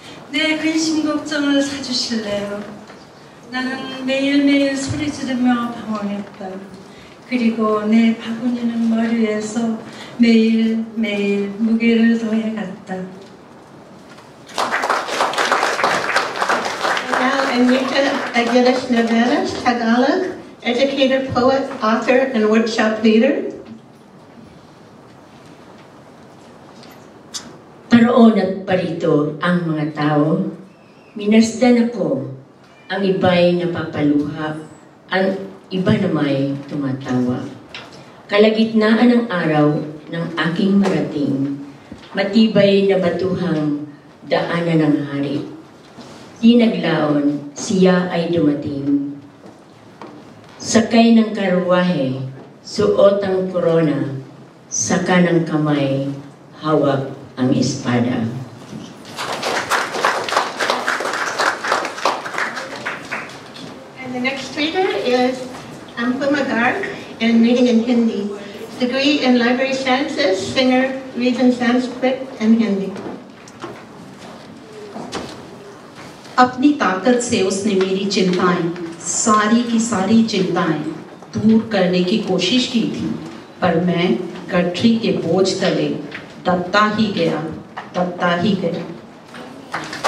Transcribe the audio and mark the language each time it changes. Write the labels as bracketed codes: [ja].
[ko] 내 근심 걱정을 사주실래요? 나는 매일매일 소리 지르며 방황했다. 그리고 내 바구니는 머리에서 매일매일 무게를 더해갔다. [en] Anita Aguilas Navarez, Tagalog, educator, poet, author, and workshop leader. [tl] Paroon at parito ang mga tao. Minasdan ako ang iba'y napapaluha, ang iba namay tumatawa. Kalagitnaan ng araw ng aking marating, matibay na batuhang daanan ng hari. Di naglaon, siya ay dumating. Sakay ng karuahe, suot ang korona, saka ng kamay, hawak ang espada. [en] And the next reader is Ampuma Garg, and reading in Hindi. Degree in Library Sciences, singer, reads in Sanskrit and Hindi. [hi] अपनी ताकत से उसने मेरी चिंताएं सारी की सारी चिंताएं दूर करने की कोशिश की थी पर मैं गठरी के बोझ तले दबता ही गया दबता ही गया